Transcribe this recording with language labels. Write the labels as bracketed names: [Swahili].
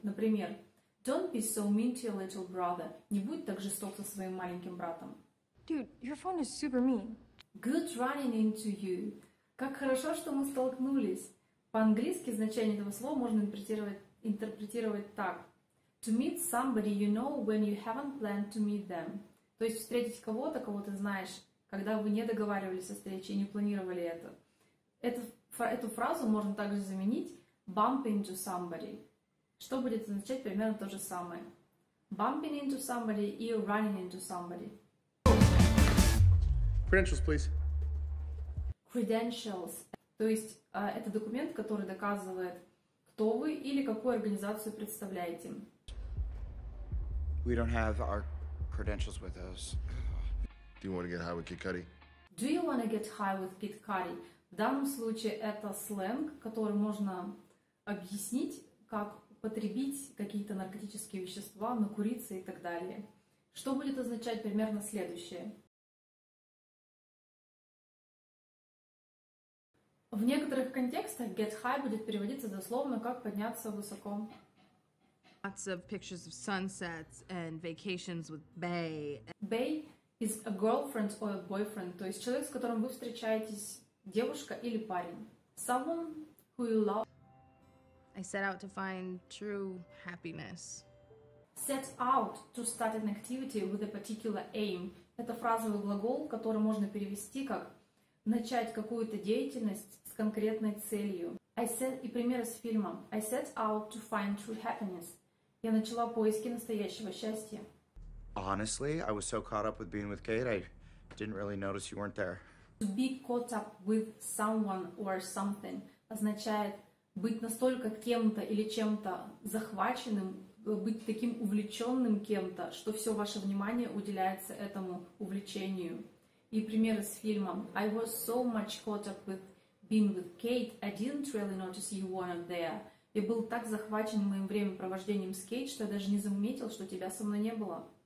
[English] Например, don't be so mean to your little brother. [Russian] Не будь так жесток со своим маленьким братом. [English] Dude, your phone is super mean. Good running into you. [Russian] Как хорошо, что мы столкнулись. По-английски значение этого слова можно интерпретировать так. [English] To meet somebody you know when you haven't planned to meet them. [Russian] То есть встретить кого-то, кого ты знаешь, когда вы не договаривались о встрече и не планировали это. Эту фразу можно также заменить [English] bump into somebody, [Russian] что будет означать примерно то же самое. [English] Bumping into somebody и running into somebody. Credentials, please. Credentials. [Russian] То есть это документ, который доказывает, кто вы или какую организацию представляете. [English] We don't have our credentials with us. Do you want to get high with Kid Cudi? Do you want to get high with Kid Cudi? [Russian] В данном случае это сленг, который можно объяснить, как потребить какие-то наркотические вещества, накуриться и так далее. Что будет означать примерно следующее? В некоторых контекстах get high будет переводиться дословно как подняться высоко. [English] Lots of pictures of sunsets and vacations with Bay. Bay is a girlfriend or a boyfriend, [Russian] то есть человек, с которым вы встречаетесь, девушка или парень. [English] Someone who you love. I set out to find true happiness. Set out to start an activity with a particular aim. [Russian] Это фразовый глагол, который можно перевести как начать какую-то деятельность с конкретной целью. И пример из фильма. [English] I set out to find true happiness. [Russian] Я начала поиски настоящего счастья. [English] Honestly, I was so caught up with being with Kate, I didn't really notice you weren't there. To be caught up with someone or something [Russian] означает быть настолько кем-то или чем-то захваченным, быть таким увлеченным кем-то, что все ваше внимание уделяется этому увлечению. И пример из фильма. [English] I was so much caught up with being with Kate, I didn't really notice you weren't there. [Russian] Я был так захвачен моим времяпровождением с Кейт, что я даже не заметил, что тебя со мной не было.